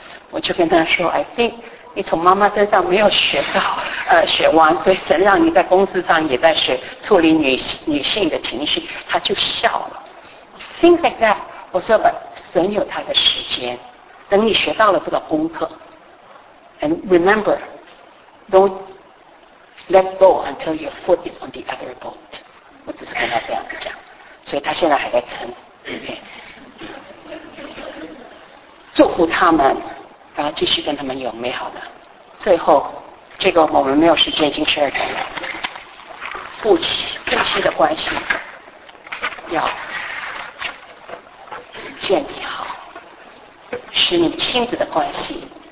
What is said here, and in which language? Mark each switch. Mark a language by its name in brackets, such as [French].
[Chinese] 我就跟他说 ， [English] I think [Chinese] 你从妈妈身上没有学到，学完，所以神让你在公司上也在学处理女性的情绪。他就笑了 ， [English] things like that。 [Chinese] 我说吧，神有他的时间，等你学到了这个功课。 [English] And remember, don't let go until your foot is on the other boat. [Chinese] 我只是跟他这样子讲，所以他现在还在撑。祝福他们，然后继续跟他们有美好的。最后，这个我们没有时间，已经十二点了。夫妻的关系要建立好，使你亲子的关系。